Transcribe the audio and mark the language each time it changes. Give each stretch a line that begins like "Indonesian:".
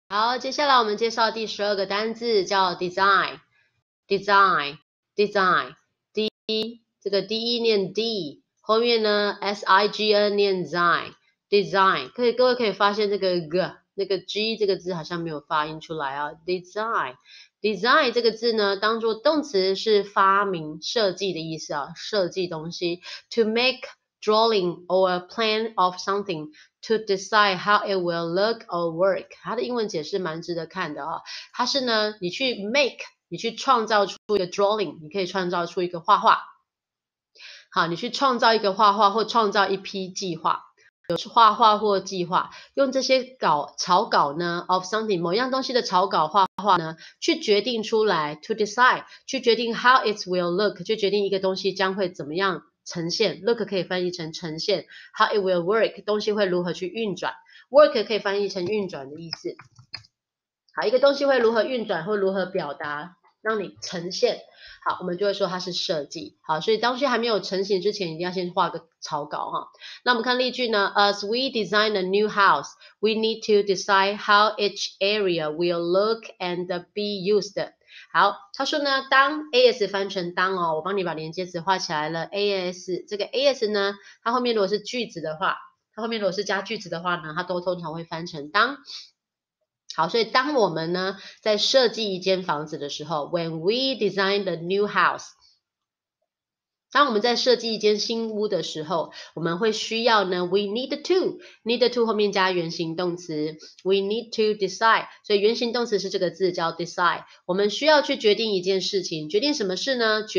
Chinese: 好，接下来我们介绍第十二个单字，叫 design，design，design，D 这个 D-E 念 D，后面呢 sign 念 design，design，可以各位可以发现这个 g 那个 g 这个字好像没有发音出来啊，design，design 这个字呢当做动词是发明、设计的意思啊，设计东西，
English: to make drawing or a plan of something。 To decide how it will look or work，
Chinese: 它的英文解释蛮值得看的哦。它是呢，你去 make，你去创造出一个 drawing，你可以创造出一个画画。好，你去创造一个画画或创造一批计划，有画画或计划，用这些草稿呢，of something 某样东西的草稿画画呢，去决定出来，to decide 去决定
English: how it will look，
Chinese: 去决定一个东西将会怎么样。呈现，look 可以翻译成呈现，how it will work，东西会如何去运转，work 可以翻译成运转的意思。好，一个东西会如何运转或如何表达，让你呈现，好，我们就会说它是设计。好，所以东西还没有成型之前，一定要先画个草稿哈。那我们看例句呢，
English: As we design a new house, we need to decide how each area will look and be used。
Chinese: 好，他说呢，当 as 翻成当哦，我帮你把连接词画起来了。 as 这个 as 呢，它后面如果是句子的话，它后面如果是加句子的话呢，它都通常会翻成当。好，所以当我们呢在设计一间房子的时候，
English: when we design the new house，
Chinese: 当我们在设计一间新屋的时候，我们会需要呢，we need to 后面加原形动词，we need to decide，所以原形动词是这个字叫 decide，我们需要去决定一件事情，决定什么事呢？